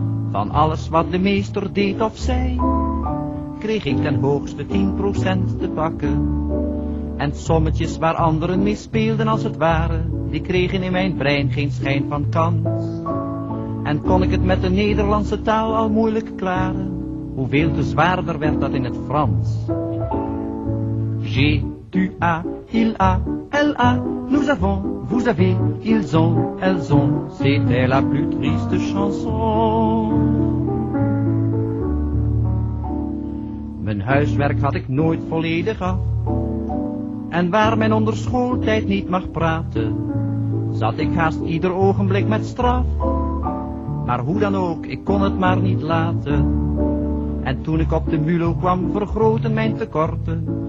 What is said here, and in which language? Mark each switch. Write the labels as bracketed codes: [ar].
[nl] Van alles wat de meester deed of zei, kreeg ik ten hoogste 10% te pakken. En sommetjes waar anderen mee speelden als het ware, die kregen in mijn brein geen schijn van kans. En kon ik het met de Nederlandse taal al moeilijk klaren, hoeveel te zwaarder werd dat in het Frans. [fr] J'ai, tu a, il a, elle a, nous avons, vous avez, ils ont, elles ont, c'était la plus triste chanson. [nl] Mijn huiswerk had ik nooit volledig af. En waar men onder schooltijd niet mag praten, zat ik haast ieder ogenblik met straf. Maar hoe dan ook, ik kon het maar niet laten. En toen ik op de MULO kwam, vergroten mijn tekorten.